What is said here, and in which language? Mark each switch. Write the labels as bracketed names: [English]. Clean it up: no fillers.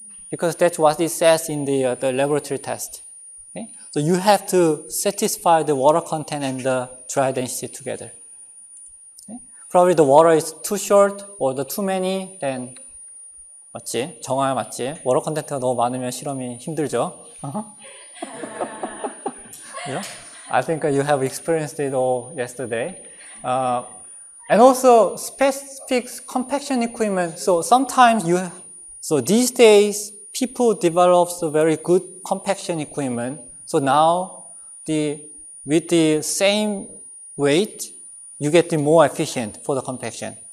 [English] Because that's what it says in the laboratory test. Okay? So you have to satisfy the water content and the dry density together. Okay? Probably the water is too short or the too many, then [Korean] 맞지? 정화야 맞지? 워터 컨텐츠가 너무 많으면 실험이 힘들죠? [English] Yeah? I think you have experienced it all yesterday. And also specific compaction equipment. So sometimes so these days, people develop a very good compaction equipment. So now, with the same weight, you get the more efficient for the compaction.